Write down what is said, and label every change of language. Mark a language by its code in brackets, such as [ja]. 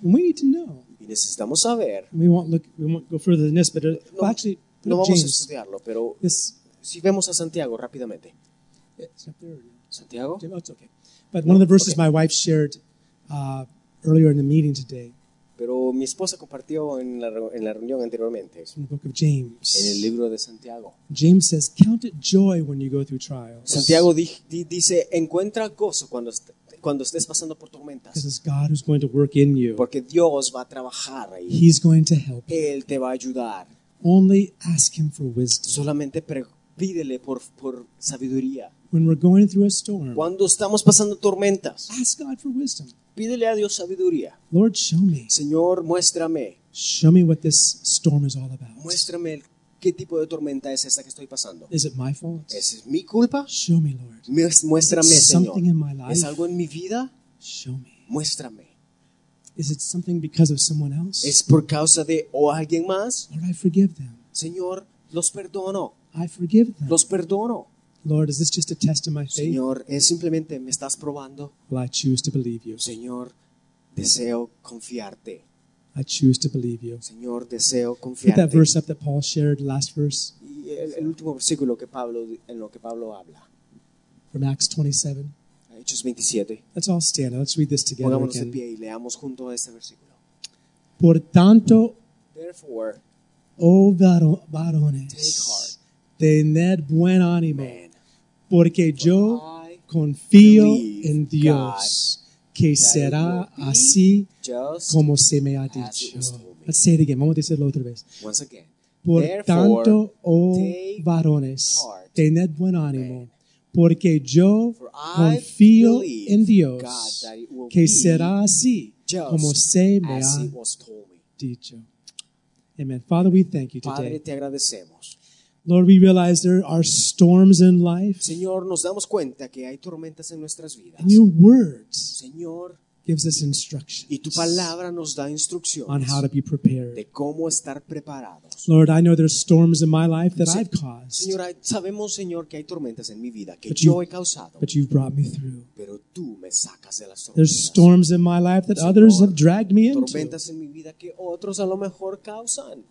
[en] And we need to know. [es] Y necesitamos saber. [en] We won't go further than this, but [es] no vamos a estudiarlo, pero this, si vemos a Santiago rápidamente. Santiago? [en] Oh, it's okay. But no, one of the verses my wife shared earlier in the meeting today. [es] Pero mi esposa compartió en la reunión anteriormente. [en] In the book of James. [es] En el libro de Santiago. [en] James says, count it joy when you go through trials. [es] Santiago dice, encuentra gozo cuando estés pasando por tormentas. [en] Because it's God who's going to work in you. [es] Porque Dios va a trabajar ahí. [en] He's going to help you. [es] Él te va a ayudar. [en] Only ask him for wisdom. [es] Solamente pídele por sabiduría. [en] When we're going through a storm, [es] cuando estamos pasando tormentas, [en] ask God for wisdom. [es] Pídele a Dios sabiduría. [en] Lord, show me. [es] Señor, muéstrame. [en] Show me what this storm is all about. [es] Muéstrame qué tipo de tormenta es esta que estoy pasando. [en] Is it my fault? [es] ¿Es mi culpa? [en] Show me, Lord. [es] Muéstrame, Señor. [en] Something in my life? [es] ¿Es algo en mi vida? [en] Show me. [es] Muéstrame. [en] Is it something because of someone else? [es] ¿Es por causa de o alguien más? [en] Lord, I forgive them. [es] Señor, los perdono. [en] I forgive them. [es] Los perdono. [en] Lord, is this just a test of my faith? [es] Señor, es simplemente me estás probando. [en] Well, I choose to believe you. [es] Señor, deseo confiarte. [en] I choose to believe you. [es] Señor, deseo confiarte. [en] Put that verse up that Paul shared, last verse. [es] Y el último versículo que Pablo, en lo que Pablo habla. [en] From Acts 27. [es] Hechos 27. [en] Let's all stand. Let's read this together. [es] Pongámonos de pie y leamos junto a este versículo. Por tanto, [en] therefore, [es] oh varones, tened buen ánimo, porque yo confío en Dios, que será así como se me ha dicho. [en] Let's say it again. [es] Vamos a decirlo otra vez. [en] Once again. [es] Por tanto, oh varones, tened buen ánimo, porque yo confío en Dios, que será así como se me ha dicho. [en] Amen. Father, we thank you today. [es] Padre, te agradecemos. [en] Lord, we realize there are storms in life. [es] Señor, nos damos cuenta que hay tormentas en nuestras vidas. [en] And your words, [es] Señor, [en] gives us instructions. [es] Y tu palabra nos da instrucciones [en] on how to be prepared. [es] De cómo estar preparados. [en] Lord, I know there's storms in my life that I've caused. [es] Señor, sabemos, Señor, que hay tormentas en mi vida que yo he causado. [en] But you've brought me through. [es] Pero tú me sacas de las tormentas. [en] There's storms in my life that [es] Señor, [en] others have dragged me [es] tormentas [en] into. [es] Tormentas en mi vida que otros a lo mejor causan.